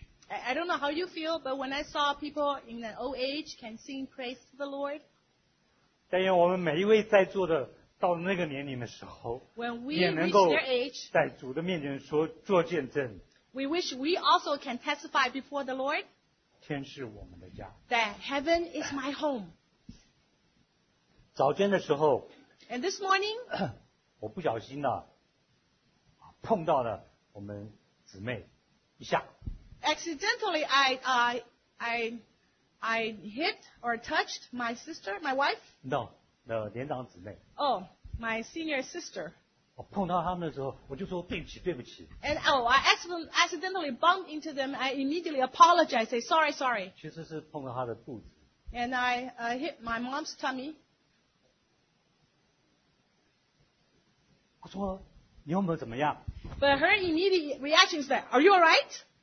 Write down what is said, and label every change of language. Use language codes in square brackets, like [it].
[en] I don't know how you feel, but when I saw people in an old age can sing praise to the Lord, [zh] 但愿我们每一位在座的, 到那个年龄的时候, [en] when we reach their age, [zh] 做见证, [en] we wish we also can testify before the Lord [zh] 天是我们的家, [en] that heaven is my home. [zh] 早间的时候, [en] and this morning, [zh] 我不小心了, 碰到了我们姊妹, [en] accidentally, I hit or touched my sister, my wife. No, the 连长姊妹. Oh, my senior sister. [zh] 我碰到他们的时候，我就说对不起，对不起。 [en] And oh, I accidentally bumped into them. I immediately apologized. Say sorry, sorry. [zh] 其实是碰到他的肚子。 [en] And I hit my mom's tummy. [zh] 我说你有没有怎么样？ [en] But her immediate reaction is that, "Are you all right?"